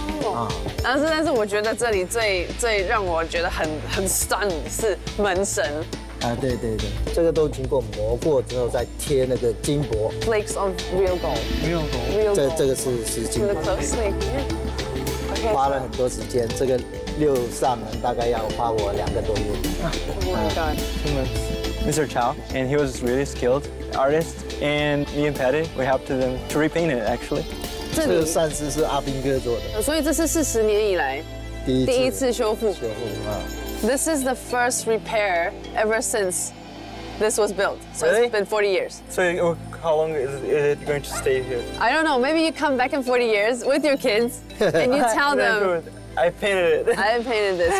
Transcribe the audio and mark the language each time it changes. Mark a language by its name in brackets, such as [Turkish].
[Chinese] 啊，但是我觉得这里最让我觉得很 stun 是门神。啊，对对对，这个都经过磨过之后再贴那个金箔。 [English] Flakes of real gold. Real gold. [Chinese] 这个是金箔。 [English] To the closely. Okay. [Chinese] 花了很多时间，这个六扇门大概要花我两个多月。 [English] Oh my god. Mr. Chow, and he was really skilled artist, and me and Patty, we helped him to repaint it actually. [Chinese] 这个扇子是阿兵哥做的，所以这是40年以来第一次修复啊。 [English] This is the first repair ever since this was built. So really? It's been 40 years. So how long is it going to stay here? I don't know. Maybe you come back in 40 years with your kids and you tell them. I painted this,